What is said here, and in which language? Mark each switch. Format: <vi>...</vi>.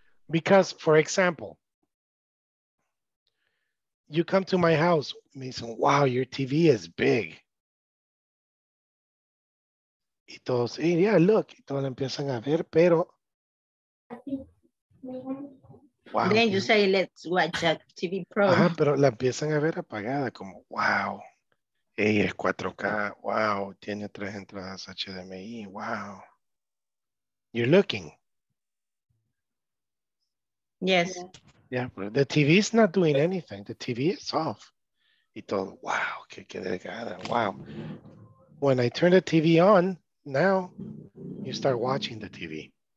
<en>Because, for example, you come to my house, me say, wow, your TV is big.</en> <es>Y todos,</es> <en>hey, yeah, look.</en> <es>Y todos empiezan a ver, pero.</es> <en>Wow. Then you say, let's watch a TV program.</en> <es>Ah, pero la empiezan a ver apagada, como, wow. Hey, es 4K, wow, tiene tres entradas HDMI, wow.</es> <en>You're looking. Yes. Yeah, but the TV is not doing anything. The TV is off.</en> <es>Y todo, wow, que delgada,</es> <en>wow. When I turn the TV on, now you start watching the TV.</en>